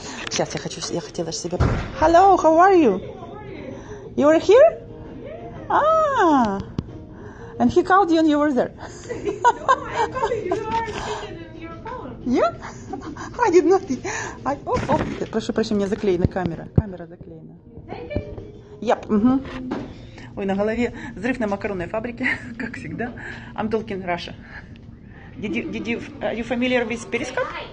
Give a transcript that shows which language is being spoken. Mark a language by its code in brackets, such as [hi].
[ru] Сейчас я хотела себе... [en] Hello, how are you? You are here? Ah. And he called you and you were there. No, I called you. You are speaking in your phone. Yeah? I did not. Oh. [ru] Прошу, у меня заклеена камера. Камера заклеена. Yep. Угу. Ой, на голове взрыв на макаронной фабрике, как всегда. [en] I'm talking Russia. Are you familiar with Periscope?